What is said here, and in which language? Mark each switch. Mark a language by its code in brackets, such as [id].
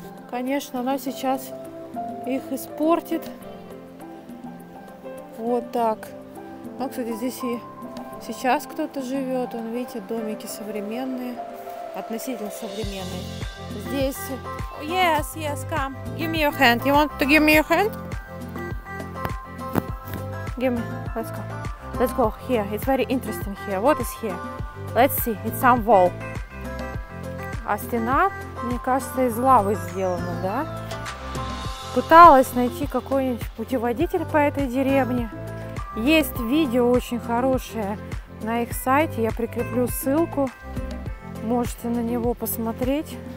[ru] Конечно, она сейчас их испортит. Вот так. Ну, кстати, здесь и сейчас кто-то живет. Вон, видите, домики современные. Относительно современные. Здесь... [en] Yes, yes, come. Give me your hand. You want to give me your hand? Give me. Let's go. Let's go here. It's very interesting here. What is here? Let's see. It's some wall. [ru] А стена, мне кажется, из лавы сделана, да? Пыталась найти какой-нибудь путеводитель по этой деревне. Есть видео очень хорошее на их сайте. Я прикреплю ссылку. Можете на него посмотреть.